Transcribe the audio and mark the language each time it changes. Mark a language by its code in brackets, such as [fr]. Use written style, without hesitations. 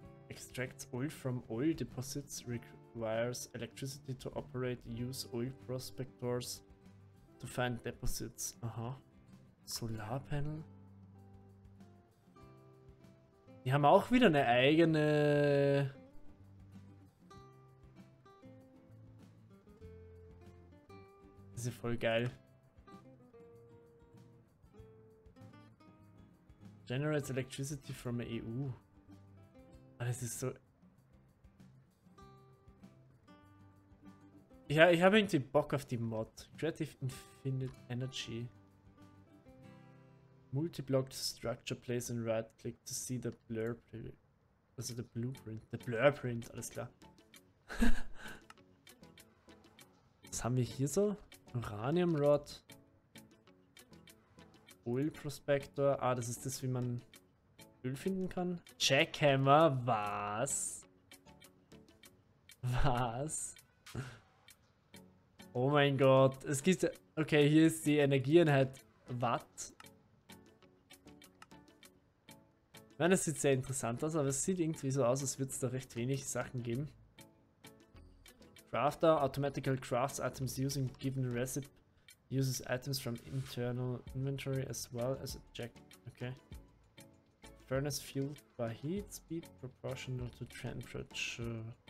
[en] extracts oil from oil deposits, requires electricity to operate, use oil prospectors to find deposits. [de] Aha. Solarpanel. Die haben auch wieder eine eigene... Das ist voll geil. [en] Generates electricity from the EU. [de] Das ist so... Ja, ich habe irgendwie Bock auf die Mod. [en] Creative Infinite Energy. Multi-blocked structure place and right click to see the blueprint. Also the blueprint. The blueprint, [de] alles klar. Was haben wir hier so? Uranium Rod. [en] Oil Prospector. [de] Ah, das ist das, wie man Öl finden kann. Jackhammer, was? Was? Oh mein Gott. Es gibt. Okay, hier ist die Energieeinheit. Watt. Ich meine, das sieht sehr interessant aus, aber es sieht irgendwie so aus, als würde es da recht wenig Sachen geben. [en] Crafter, automatical crafts items using given recipe, uses items from internal inventory as well as a jack. Okay. Furnace fueled by heat speed proportional to temperature.